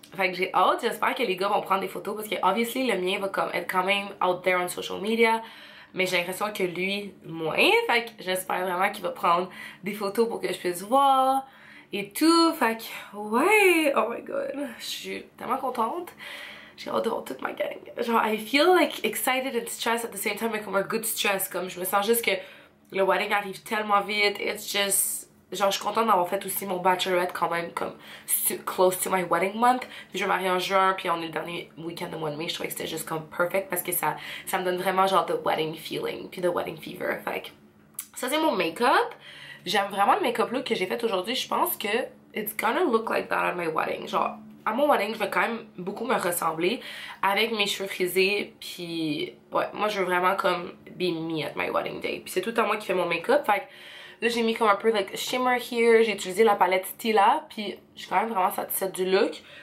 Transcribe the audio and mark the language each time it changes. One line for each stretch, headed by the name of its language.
French: Fait que j'ai hâte, j'espère que les gars vont prendre des photos. Parce que obviously le mien va comme être quand même
English: out there on social media.
French: Mais j'ai l'impression que lui, moins. Fait que j'espère vraiment qu'il va prendre des photos pour que je puisse voir. Et tout, fait que, ouais,
English: oh my god,
French: je suis tellement contente. J'ai hâte de voir toute ma gang.
English: Genre, I feel like excited and stressed at the same time,
French: mais comme un
English: good stress.
French: Comme je me sens juste que le wedding arrive tellement vite.
English: It's just,
French: genre, je suis contente d'avoir fait aussi mon bachelorette quand même, comme
English: close to my wedding month.
French: Puis je me marie en juin, puis on est le dernier week-end de mois de mai. Je trouvais que c'était juste comme perfect parce que ça me donne vraiment genre
English: the wedding feeling,
French: puis
English: the wedding fever.
French: Fait que, ça c'est mon make-up. J'aime vraiment le make-up look que j'ai fait aujourd'hui. Je pense que
English: it's gonna look like that at my wedding.
French: Genre, à mon wedding, je vais quand même beaucoup me ressembler avec mes cheveux frisés. Puis, ouais, moi, je veux vraiment comme
English: be me at my wedding day.
French: Puis c'est tout à moi qui fais mon make-up. Fait que là, j'ai mis comme un peu
English: like shimmer here.
French: J'ai utilisé la palette Stila. Puis, je suis quand même vraiment satisfaite du look.